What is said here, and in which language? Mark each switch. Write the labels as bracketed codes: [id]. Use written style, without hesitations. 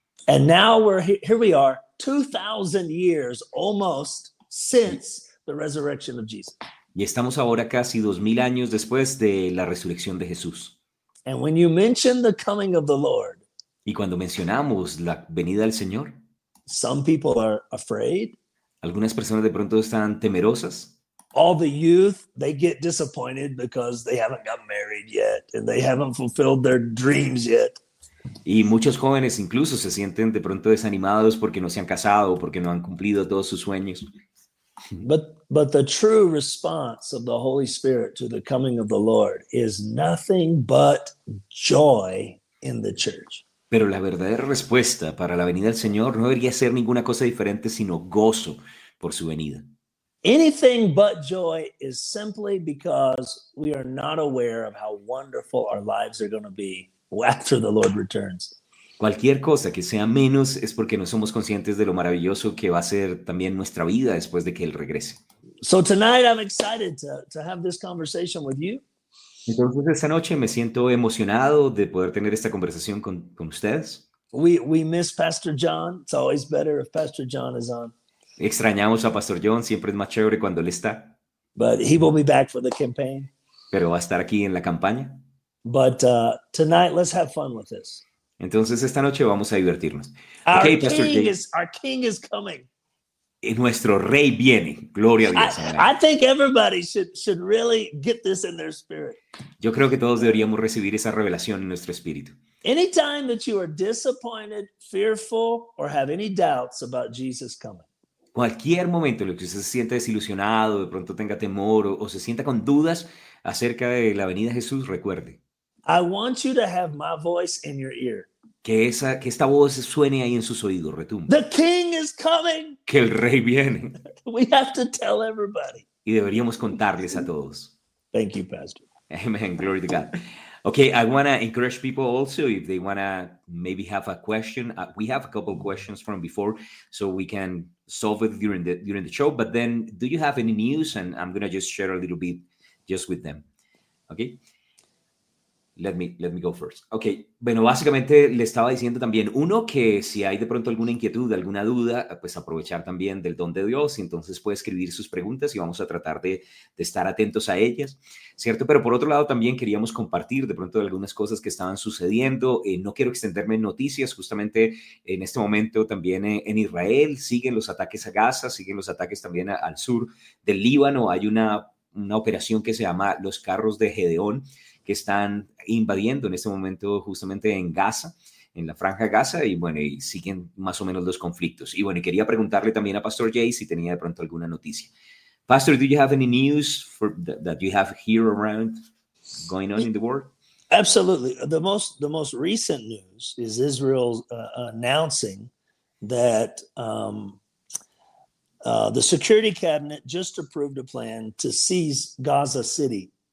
[en] And now we're here we are 2000 years almost since the resurrection of Jesus. [es] Y estamos ahora casi 2000 años después de la resurrección de Jesús. [en] And when you mention the coming of the Lord, [es] y cuando mencionamos la venida del Señor, [en] some people are afraid. [es] Algunas personas de pronto están temerosas. [en] All the youth, they get disappointed because they haven't gotten married yet and they haven't fulfilled their dreams yet. [es] Y muchos jóvenes incluso se sienten de pronto desanimados porque no se han casado, porque no han cumplido todos sus sueños. [en] But the true response of the Holy Spirit to the coming of the Lord is nothing but joy in the church. [es] Pero la verdadera respuesta para la venida del Señor no debería ser ninguna cosa diferente sino gozo por su venida. [en] Anything but joy is simply because we are not aware of how wonderful our lives are going to be after the Lord returns. [es] Cualquier cosa que sea menos es porque no somos conscientes de lo maravilloso que va a ser también nuestra vida después de que Él regrese. [en] So tonight I'm excited to have this conversation with you. [es] Entonces esta noche me siento emocionado de poder tener esta conversación con ustedes. [en] We miss Pastor John. It's always better if Pastor John is on. [es] Extrañamos a Pastor John. Siempre es más chévere cuando él está. [en] But he will be back for the campaign. [es] Pero va a estar aquí en la campaña. [en] But tonight let's have fun with this. [es] Entonces esta noche vamos a divertirnos. [en] Our, okay, Pastor King, Jay. Our king is coming. [es] Y nuestro rey viene. Gloria a Dios. [en] I think everybody should really get this in their spirit. [es] Yo creo que todos deberíamos recibir esa revelación en nuestro espíritu. [en] Anytime that you are disappointed, fearful, or have any doubts about Jesus coming. [es] Cualquier momento en el que usted se sienta desilusionado, de pronto tenga temor o se sienta con dudas acerca de la venida de Jesús, recuerde. [en] I want you to have my voice in your ear. [es] Que esta voz suene ahí en sus oídos, retumbe. [en] The king is coming. [es] Que el rey viene. [en] We have to tell everybody. [es] Y deberíamos contarles a todos. [en] Thank you, Pastor. Amen. Glory to God. Okay, I want to encourage people also, if they want to maybe have a question. We have a couple of questions from before, so we can solve it during the show. But then, do you have any news? And I'm going to just share a little bit just with them. Okay. Let me go first. Okay. [es] Bueno, básicamente le estaba diciendo también, uno, que si hay de pronto alguna inquietud, alguna duda, pues aprovechar también del don de Dios, y entonces puede escribir sus preguntas y vamos a tratar de estar atentos a ellas, ¿cierto? Pero por otro lado también queríamos compartir de pronto algunas cosas que estaban sucediendo. No quiero extenderme en noticias, justamente en este momento también en Israel siguen los ataques a Gaza, siguen los ataques también al sur del Líbano. Hay una operación que se llama Los Carros de Gedeón, que están invadiendo en este momento justamente en Gaza, en la franja Gaza, y bueno, y siguen más o menos los conflictos. Y bueno, y quería preguntarle también a Pastor Jay si tenía de pronto alguna noticia. [en] Pastor, do you have any news for that you have here around going on in the world? Absolutely. The most recent news is Israel announcing that the Security Cabinet just approved a plan to seize Gaza City.